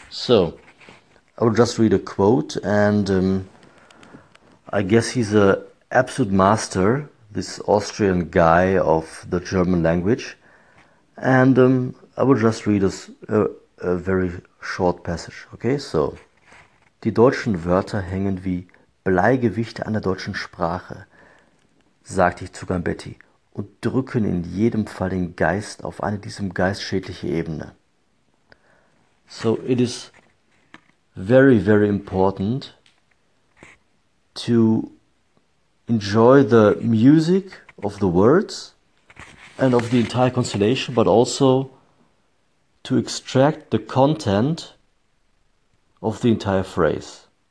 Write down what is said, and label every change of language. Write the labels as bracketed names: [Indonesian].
[English] So, I will just read a quote, and I guess he's an absolute master, this Austrian guy of the German language, and I will just read a very short passage, okay? [German] So, die deutschen Wörter hängen wie Bleigewichte an der deutschen Sprache, sagte ich zu Gambetti, und drücken in jedem Fall den Geist auf eine diesem Geist schädliche Ebene. [English] So it is very, very important to enjoy the music of the words and of the entire constellation, but also to extract the content of the entire phrase.